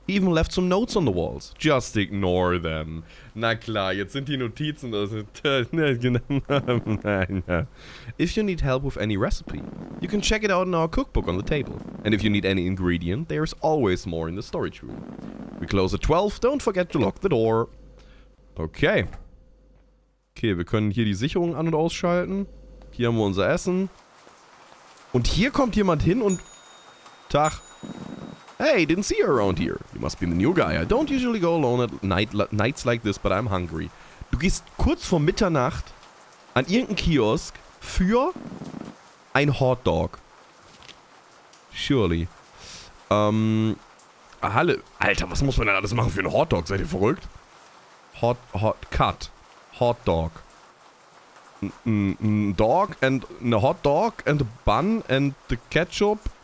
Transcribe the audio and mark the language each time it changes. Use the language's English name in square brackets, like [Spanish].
[English] He even left some notes on the walls. Just ignore them. [German] Na klar, jetzt sind die Notizen. [English] If you need help with any recipe, you can check it out in our cookbook on the table. And if you need any ingredient, there's always more in the storage room. We close at 12, don't forget to lock the door. Okay. [German] Okay, wir können hier die Sicherung an- und ausschalten. Hier haben wir unser Essen. Und hier kommt jemand hin und... Tag. [English] Hey, didn't see you around here. You must be the new guy. I don't usually go alone at nights like this, but I'm hungry. [German] Du gehst kurz vor Mitternacht an irgendeinen Kiosk für ein Hotdog. [English] Surely. [German] Halle. Alter, was muss man denn alles machen für einen Hotdog? Seid ihr verrückt? Hot cut. Hotdog. [English] Dog and a hot dog and a bun and the ketchup.